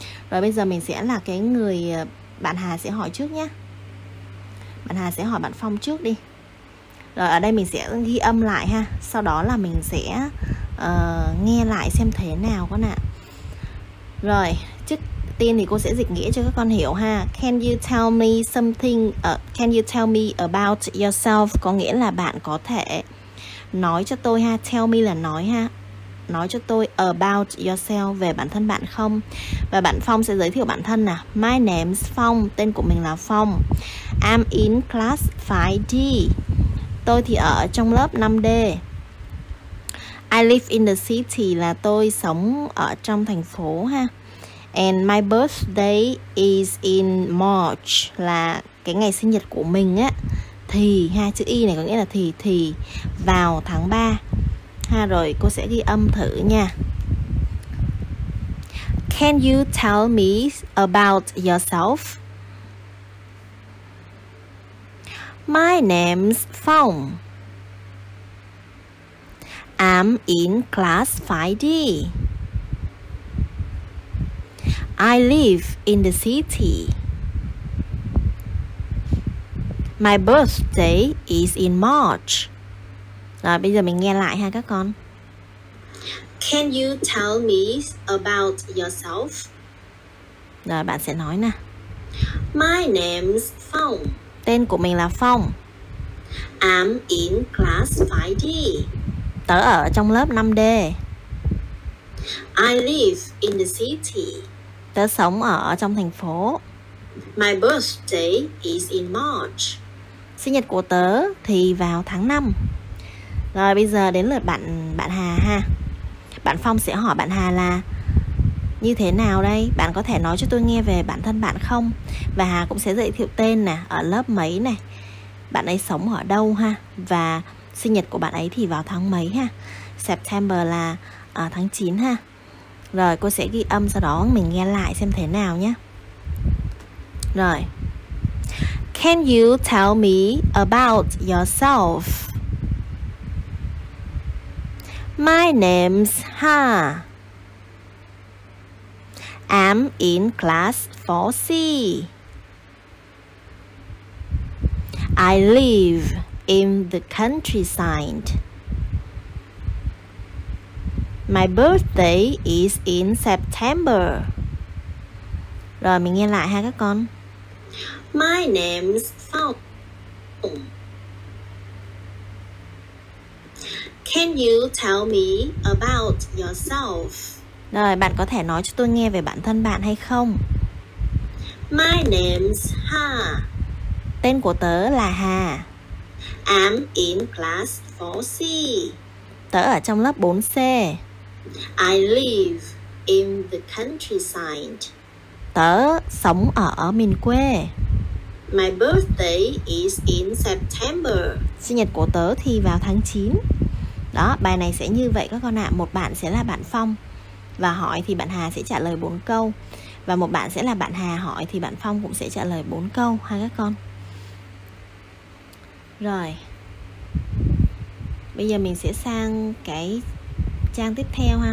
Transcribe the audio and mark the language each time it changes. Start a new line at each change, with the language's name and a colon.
Vietnamese: Rồi bây giờ mình sẽ là cái người, bạn Hà sẽ hỏi trước nhé. Bạn Hà sẽ hỏi bạn Phong trước đi. Rồi ở đây mình sẽ ghi âm lại ha. Sau đó là mình sẽ nghe lại xem thế nào con ạ. Rồi trước tiên thì cô sẽ dịch nghĩa cho các con hiểu ha.
English: Can you tell me something, can you tell me about yourself?
Vietnamese: Có nghĩa là bạn có thể nói cho tôi ha. Tell me là nói ha. Nói cho tôi
English: about yourself,
Vietnamese: về bản thân bạn không? Và bạn Phong sẽ giới thiệu bản thân nè.
English: My name's Phong,
Vietnamese: tên của mình là Phong.
English: I'm in class 5D.
Vietnamese: Tôi thì ở trong lớp 5D.
English: I live in the city
Vietnamese: là tôi sống ở trong thành phố ha.
English: And my birthday is in March
Vietnamese: là cái ngày sinh nhật của mình á. Thì ha, chữ y này có nghĩa là thì vào tháng 3. Ha, rồi cô sẽ ghi âm thử nha.
English: Can you tell me about yourself? My name's Phong. I'm in class 5D. I live in the city. My birthday is in March.
Vietnamese: Rồi bây giờ mình nghe lại ha các con.
English: Can you tell me about yourself?
Vietnamese: Rồi bạn sẽ nói nè.
English: My name's Phong.
Vietnamese: Tên của mình là Phong.
English: I'm in class 5D.
Vietnamese: Tớ ở trong lớp 5D.
English: I live in the city.
Vietnamese: Tớ sống ở trong thành phố.
English: My birthday is in March.
Vietnamese: Sinh nhật của tớ thì vào tháng 5. Rồi bây giờ đến lượt bạn Hà ha. Bạn Phong sẽ hỏi bạn Hà là như thế nào đây? Bạn có thể nói cho tôi nghe về bản thân bạn không? Và Hà cũng sẽ giới thiệu tên nè, ở lớp mấy nè, bạn ấy sống ở đâu ha, và sinh nhật của bạn ấy thì vào tháng mấy ha. September là tháng 9 ha. Rồi cô sẽ ghi âm, sau đó mình nghe lại xem thế nào nhé.
English: Rồi, can you tell me about yourself? My name's Ha. I'm in class 4C. I live in the countryside. My birthday is in September.
Vietnamese: Rồi mình nghe lại ha các con.
English: My name's Phong. Can you tell me about yourself?
Vietnamese: Rồi, bạn có thể nói cho tôi nghe về bản thân bạn hay không?
English: My name's Ha.
Vietnamese: Tên của tớ là Hà.
English: I'm in class 4C.
Vietnamese: Tớ ở trong lớp 4C.
English: I live in the countryside.
Vietnamese: Tớ sống ở miền quê.
English: My birthday is in September.
Vietnamese: Sinh nhật của tớ thì vào tháng 9. Đó, bài này sẽ như vậy các con ạ. Một bạn sẽ là bạn Phong và hỏi thì bạn Hà sẽ trả lời 4 câu. Và một bạn sẽ là bạn Hà hỏi thì bạn Phong cũng sẽ trả lời 4 câu ha các con. Rồi, bây giờ mình sẽ sang cái trang tiếp theo ha.